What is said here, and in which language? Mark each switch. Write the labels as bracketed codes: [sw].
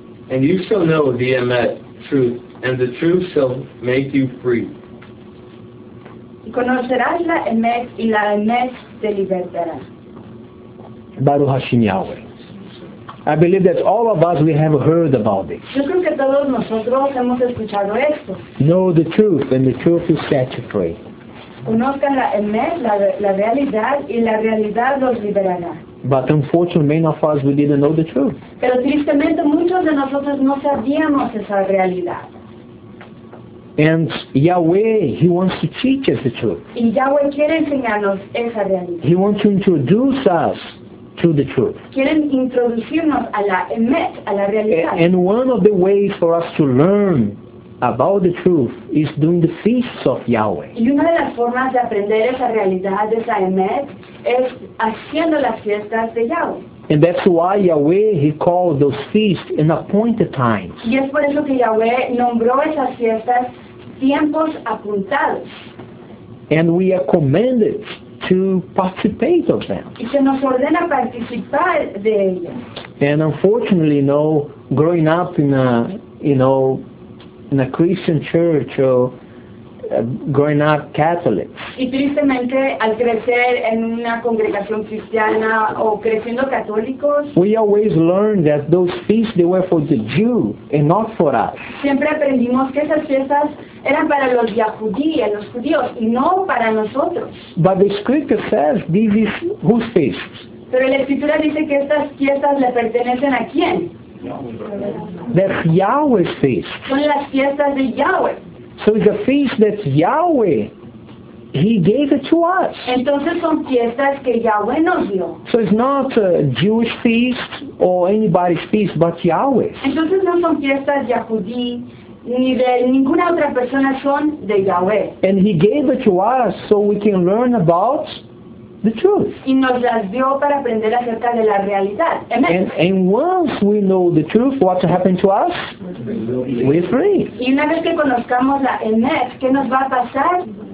[en] And you shall know the Emet, truth, and the truth shall make you free. [es] Y conocerás la Emet, y la Emet te libertará. [he] Baruch Hashem Yahweh. [en] I believe that all of us, we have heard about this. [es] Yo creo que todos nosotros hemos escuchado esto. [en] Know the truth, and the truth will set you free. [es] Conozcan la Emet, la realidad, y la realidad los liberará. [en] But unfortunately, many of us, we didn't know the truth. [es] Pero tristemente, muchos de nosotros no sabíamos esa realidad. [en] And Yahweh, He wants to teach us the truth. [es] Y Yahweh quiere enseñarnos esa realidad. [en] He wants to introduce us to the truth. [es] Quieren introducirnos a la Emet, a la realidad. [en] And one of the ways for us to learn about the truth is during the feasts of Yahweh. [es] Y una de las formas de aprender esa realidad, esa Emet, es haciendo las fiestas de Yahweh. [en] And that's why Yahweh, He called those feasts in appointed times. [es] Y es por eso que Yahweh nombró esas fiestas tiempos apuntados. [en] And we are commanded to participate of them. [es] Y se nos ordena participar de ellas. [en] And unfortunately, you know, growing up in a, you know, in a Christian church or growing up Catholic. [es] Y tristemente, al crecer en una congregación cristiana o creciendo católicos, [en] we always learned that those feasts, they were for the Jew and not for us. [es] Siempre aprendimos que esas fiestas eran para los yahudíes, los judíos, y no para nosotros. [en] But the scripture says this is whose feasts? [es] Pero la escritura dice que estas fiestas le pertenecen a quién? [en] That's Yahweh's feast. [es] Son las fiestas de Yahweh. [en] So it's a feast that Yahweh, He gave it to us. [es] Entonces son fiestas que Yahweh nos dio. [en] So it's not a Jewish feast or anybody's feast, but Yahweh's. [es] Entonces no son fiestas yahudí ni de ninguna otra persona, son de Yahweh. [en] And He gave it to us so we can learn about the truth. [es] Y nos las dio para aprender acerca de la realidad. [en] And once we know the truth, what happened to us? We're free. [es] Y una vez que conozcamos la Emet, ¿qué nos va a pasar?